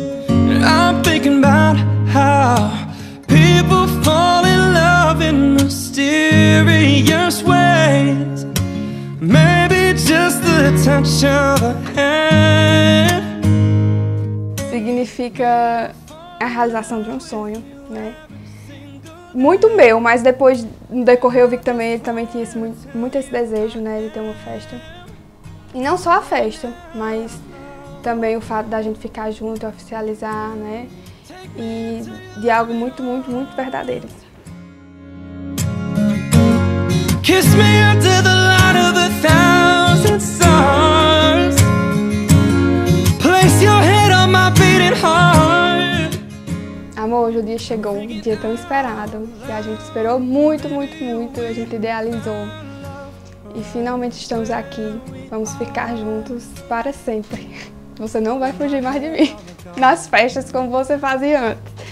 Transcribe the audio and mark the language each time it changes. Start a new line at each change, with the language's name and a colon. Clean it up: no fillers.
English: And I'm thinking about how people fall in love in mysterious ways. Maybe just the touch of a hand.
Portuguese: Significa a realização de um sonho, né? Muito meu, mas depois, no decorrer, eu vi que também ele também tinha muito esse desejo, né, de ter uma festa. E não só a festa, mas também o fato da gente ficar junto, oficializar, né, e de algo muito, muito, muito verdadeiro.
English: Kiss me under the light of a thousand stars. Place your head on my beating heart.
Portuguese: Amor, hoje o dia chegou, um dia tão esperado, que a gente esperou muito, muito, muito, a gente idealizou. E finalmente estamos aqui, vamos ficar juntos para sempre. Você não vai fugir mais de mim, nas festas como você fazia antes.